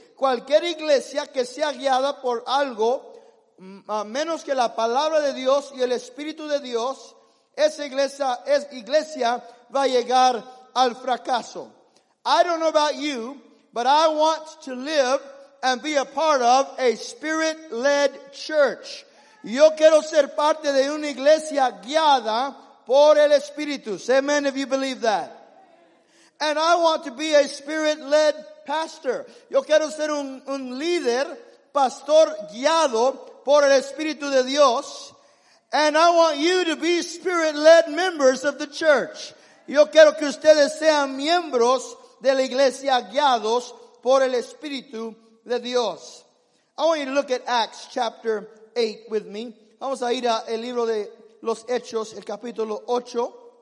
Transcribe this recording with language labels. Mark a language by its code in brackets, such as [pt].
[es] Cualquier iglesia que sea guiada por algo menos que la palabra de Dios y el Espíritu de Dios, esa iglesia va a llegar al fracaso. [en] I don't know about you, but I want to live and be a part of a Spirit-led church. [es] Yo quiero ser parte de una iglesia guiada por el Espíritu. [en] Say amen if you believe that. And I want to be a Spirit-led pastor. [es] Yo quiero ser un líder, pastor guiado por el Espíritu de Dios. [en] And I want you to be Spirit-led members of the church. [es] Yo quiero que ustedes sean miembros de la iglesia guiados por el Espíritu de Dios. [en] I want you to look at Acts chapter 8 with me. [es] Vamos a ir al libro de los Hechos, el capítulo 8.